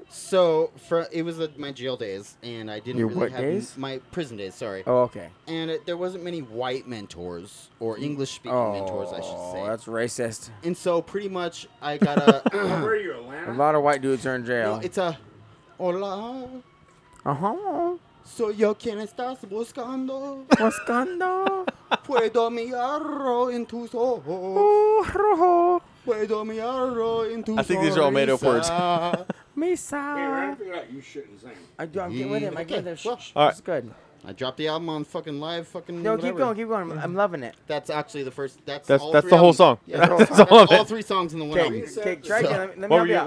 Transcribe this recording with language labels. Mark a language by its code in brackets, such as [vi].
[en] So, my jail days, and I didn't my prison days, sorry. Oh, okay. And there wasn't many white mentors, or English-speaking mentors, I should say. Oh, that's racist. And so, pretty much, I got a... Where are you, Atlanta? A lot of white dudes are in jail. No, it's a... [es] Hola. Uh-huh. So, yo, ¿quién estás buscando? Buscando. Puedo mirarlo en tus ojos. Oh, rojo. Puedo mirarlo en tus ojos. [en] I think these are all made-up words. [es] Misa. [en] Hey, Ryan, you shouldn't sing. I'm getting with him. I get this. It's good. I dropped the album on fucking live fucking No, whatever. keep going. I'm loving it. That's actually the first... That's the whole song. All three songs in the one album. Okay, try again. Let me help you out.